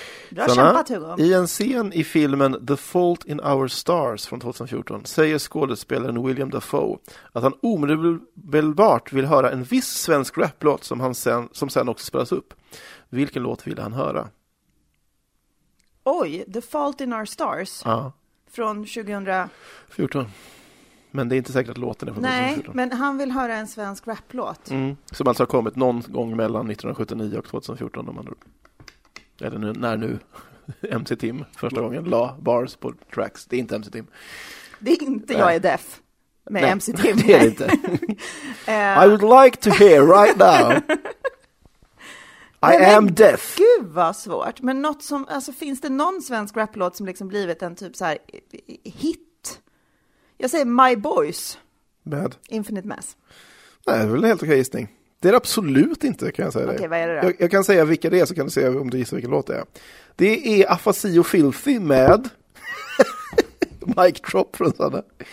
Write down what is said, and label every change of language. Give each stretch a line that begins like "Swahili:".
Swedish: Bra Sanna, kämpat Hugo. I en scen i filmen The Fault in Our Stars från 2014 säger skådespelaren William Dafoe att han omedelbart vill höra en viss svensk rapplåt som sen också spelas upp. Vilken låt ville han höra? Oj, The Fault in Our Stars. Ja. Från 2014. Men det är inte säkert att låten är från 2014. Nej, men han vill höra en svensk rapplåt. Som alltså har kommit någon gång mellan 1979 och 2014 om man... Eller nu, när nu MC Tim första gången la bars på tracks. Det är inte MC Tim. Det är inte jag är deaf med. Nej, MC Tim. Det är det inte.
English: I would like to hear right now. I am deaf.
Swedish: Gud vad svårt. Men något som, alltså, finns det någon svensk rapplåt som liksom blivit en typ så här hit? Jag säger My Boys. Bad. Infinite Mass. Nej, det är väl en helt okej gissning. Det är absolut inte, kan jag säga. Okej, det. Vad är det då? Jag kan säga vilka det är, så kan du säga om du gissar vilken låt det är. Det är Afasi och Filthy med Mic Drop från Sanna.